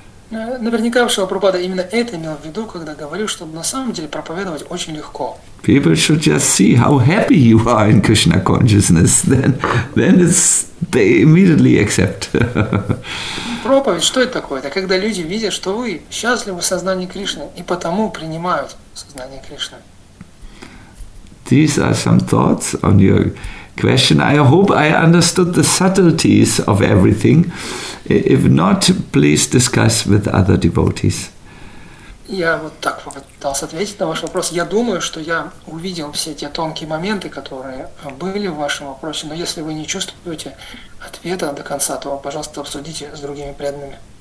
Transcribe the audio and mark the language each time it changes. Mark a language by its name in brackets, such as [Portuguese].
[Russian] Наверняка Шрила Прабхупада именно это имел в виду, когда говорил, что на самом деле проповедовать очень легко. [English] People should just see how happy you are in Krishna consciousness, then it's they immediately accept. [Russian] Проповедь, что это такое? Это когда люди видят, что вы счастливы в сознании Кришны и потому принимают сознание Кришны. [English] These are some thoughts on your question. I hope I understood the subtleties of everything. If not, please discuss with other devotees. [Russian] Я вот так попытался ответить на ваш вопрос. Я думаю, что я увидел все те тонкие моменты, которые были в вашем вопросе, но если вы не чувствуете ответа до конца, то, пожалуйста, обсудите с другими преданными.